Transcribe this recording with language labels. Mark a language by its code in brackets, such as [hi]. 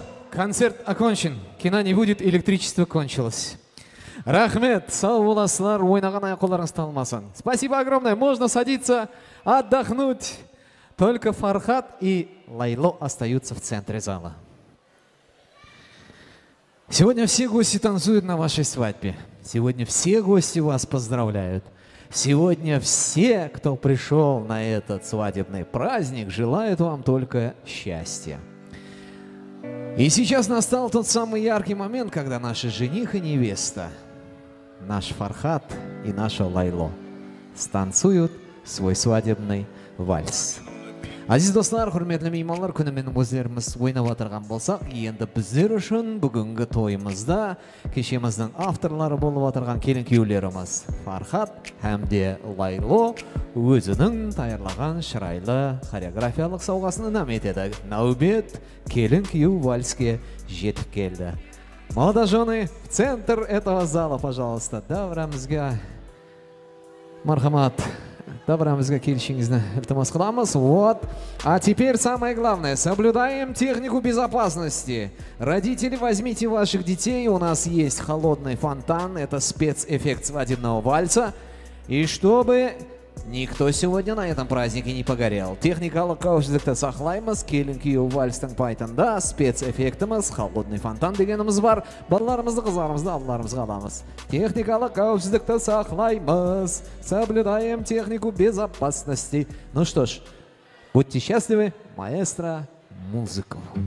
[ru] Концерт окончен, кино не будет, электричество кончилось. [kaa] Рахмет, сауласылар, ойнаған аяқоларыңыз талмасын. [ru] Спасибо огромное, можно садиться, отдохнуть. Только Фархат и Лайло остаются в центре зала. Сегодня все гости танцуют на вашей свадьбе. Сегодня все гости вас поздравляют. Сегодня все, кто пришел на этот свадебный праздник, желают вам только счастья. И сейчас настал тот самый яркий момент, когда наши жених и невеста, наш Фархат и наша Лайло, станцуют свой свадебный вальс. [kaa] Азиз достар, құрметлі меймандар, күнімен өздеріміз ойнап отырған болсақ, енді біздер үшін бүгінгі тойымызда кешеміздің авторлары болып отырған келін-күйеулеріміз Фархат һәмде Лайло өзінің таярлаған шырайлы хореографиялық сауғасын нам етеді. Наубет келін-күйеу вальске жетіп келді. [ru] Молодожены, в центр этого зала, пожалуйста, [kaa] дәуірімізге мархамат. Добрамызға келшіңізді үлтіміз қыламыз. [ru] Вот. А теперь самое главное. Соблюдаем технику безопасности. Родители, возьмите ваших детей. У нас есть холодный фонтан. Это спецэффект свадебного вальса. И чтобы никто сегодня на этом празднике не погорел. [kaa] Техникалық қауіпсіздікті сақлаймыз. Келін-күйеу вальстың пайтында спецэффектіміз. [ru] Холодный фонтан [kaa] дегеніміз бар. Балаларымызды, қыздарымызды алдыларымызға аламыз. Техникалық қауіпсіздікті сақлаймыз. [ru] Соблюдаем технику безопасности. Ну что ж, будьте счастливы, маэстро, музыку.